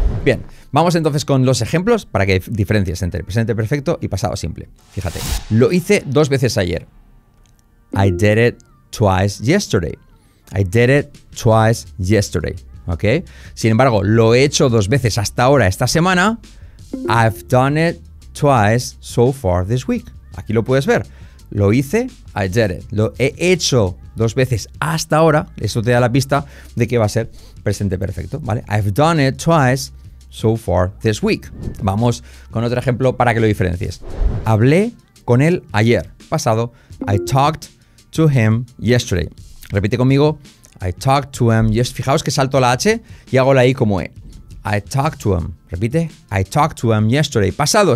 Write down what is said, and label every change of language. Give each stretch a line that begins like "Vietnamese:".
Spanish: Bien, vamos entonces con los ejemplos para que diferencias entre presente perfecto y pasado simple. Fíjate, lo hice 2 veces ayer.
English: I did it twice yesterday. I did it twice yesterday. ¿Ok?
Spanish: Sin embargo, lo he hecho 2 veces hasta ahora esta semana.
English: I've done it twice so far this week.
Spanish: Aquí lo puedes ver. Lo hice,
English: I did it.
Spanish: Lo he hecho 2 veces hasta ahora. Eso te da la pista de que va a ser presente perfecto. ¿Vale?
English: I've done it twice so far this week.
Spanish: Vamos con otro ejemplo para que lo diferencies. Hablé con él ayer, pasado.
English: I talked to him yesterday.
Spanish: Repite conmigo.
English: I talked to him yesterday.
Spanish: Fijaos que salto la H y hago la I como E.
English: I talked to him.
Spanish: Repite.
English: I talked to him yesterday.
Spanish: Pasado.